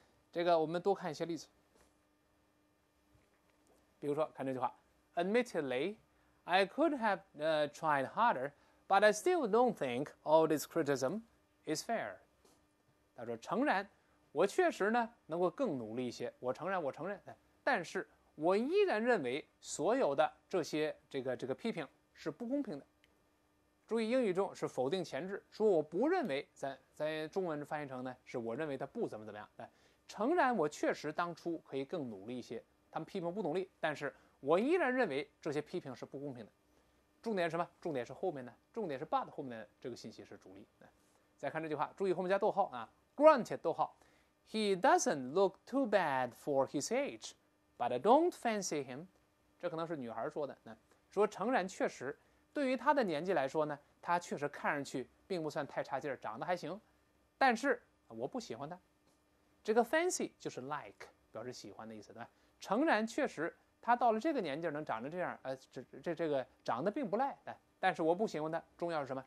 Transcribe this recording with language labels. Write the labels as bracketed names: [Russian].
[Chinese] 这个我们多看一些例子，比如说看这句话， [English] admittedly I could have tried harder but I still don't think all this criticism is fair。 [Chinese] 他说诚然我确实呢能够更努力一些，我承认，但是我依然认为所有的这些这个批评是不公平的。注意英语中是否定前置，说我不认为，在中文翻译成呢是我认为他不怎么怎么样。对，诚然我确实当初可以更努力一些，他们批评不努力，但是我依然认为这些批评是不公平的。重点是什么？重点是后面呢？重点是 but 后面的这个信息是主力。再看这句话，注意后面加逗号啊， granted 逗号。 [English] He doesn't look too bad for his age, but I don't fancy him. [Chinese] 这可能是女孩说的。说诚然确实对于他的年纪来说呢，他确实看上去并不算太差劲，长得还行，但是我不喜欢他。这个 fancy 就是 like， 表示喜欢的意思，对吧？诚然确实他到了这个年纪能长得这样，这个长得并不赖，但是我不喜欢他。重要是什么？